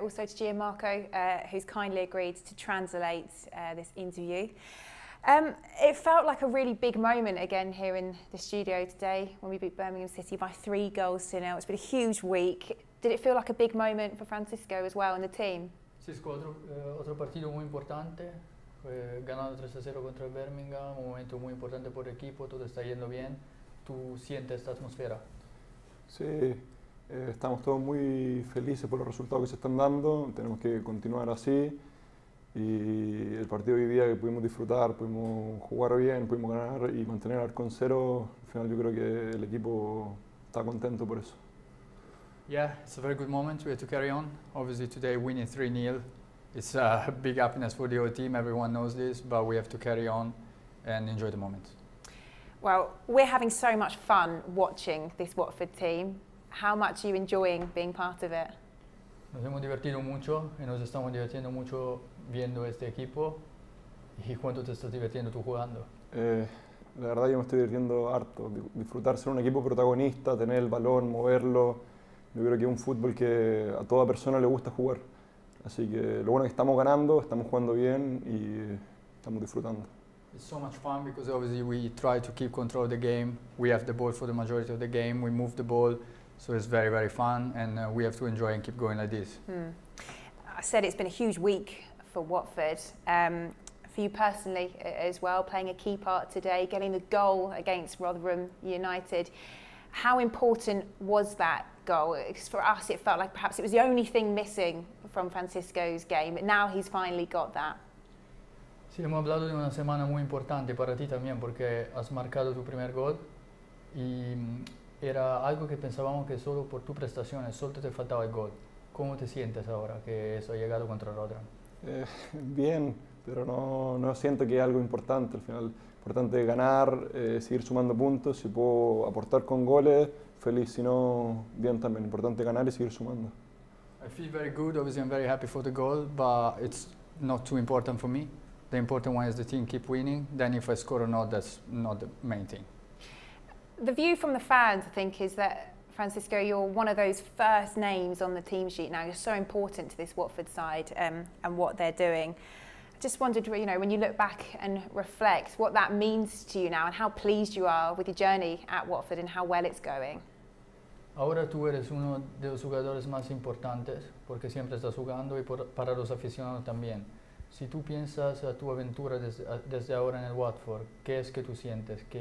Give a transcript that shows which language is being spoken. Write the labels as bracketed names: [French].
[English] Also to Gianmarco, who's kindly agreed to translate this interview. It felt like a really big moment again here in the studio today when we beat Birmingham City by 3-0. It's been a huge week. Did it feel like a big moment for Francisco as well and the team? [Spanish] Francisco, otro partido muy importante. Ganando 3-0 contra Birmingham, un momento muy importante por el equipo, todo está yendo bien. ¿Tú sientes esta atmósfera? Sí, estamos todos muy felices por los resultados que se están dando. Tenemos que continuar así. Y el partido de hoy día que pudimos disfrutar, pudimos jugar bien, pudimos ganar y mantener el arco en cero. Al final yo creo que el equipo está contento por eso. [English] Yeah, it's a very good moment. We have to carry on. Obviously today winning 3-0, it's a big happiness for the whole team. Everyone knows this, but we have to carry on and enjoy the moment. Well, we're having so much fun watching this Watford team. How much are you enjoying being part of it? [Spanish] Nos hemos divertido mucho y nos estamos divirtiendo mucho viendo este equipo. ¿Y cuánto te estás divirtiendo tú jugando? La verdad, yo me estoy divirtiendo harto. Disfrutar ser un equipo protagonista, tener el balón, moverlo. Yo creo que es un fútbol que a toda persona le gusta jugar. Así que lo bueno es que estamos ganando, estamos jugando bien y estamos disfrutando. [English] It's so much fun because obviously we try to keep control of the game. We have the ball for the majority of the game. We move the ball. So it's very, very fun. And we have to enjoy and keep going like this. I said it's been a huge week for Watford. For you personally as well, playing a key part today, getting the goal against Rotherham United. How important was that goal? Because for us, it felt like perhaps it was the only thing missing from Francisco's game. But now he's finally got that. [Spanish] Sí, hemos hablado de una semana muy importante para ti también porque has marcado tu primer gol y era algo que pensábamos que solo por tus prestaciones, solo te faltaba el gol. ¿Cómo te sientes ahora que eso ha llegado contra Rotherham? Bien, pero no siento que es algo importante. Al final importante ganar, seguir sumando puntos. Si puedo aportar con goles, feliz. Si no, bien también. Importante ganar y seguir sumando. [English] I feel very good. Obviously, I'm very happy for the goal, but it's not too important for me. The important one is the team keep winning. Then if I score or not, that's not the main thing. The view from the fans, I think, is that, Francisco, you're one of those first names on the team sheet now. You're so important to this Watford side and what they're doing. I just wondered, you know, when you look back and reflect, what that means to you now and how pleased you are with your journey at Watford and how well it's going. [Spanish] Ahora tú eres uno de los jugadores más importantes porque siempre estás jugando y para los aficionados también. Si tú piensas a tu aventura desde ahora en el Watford, ¿qué es que tú sientes?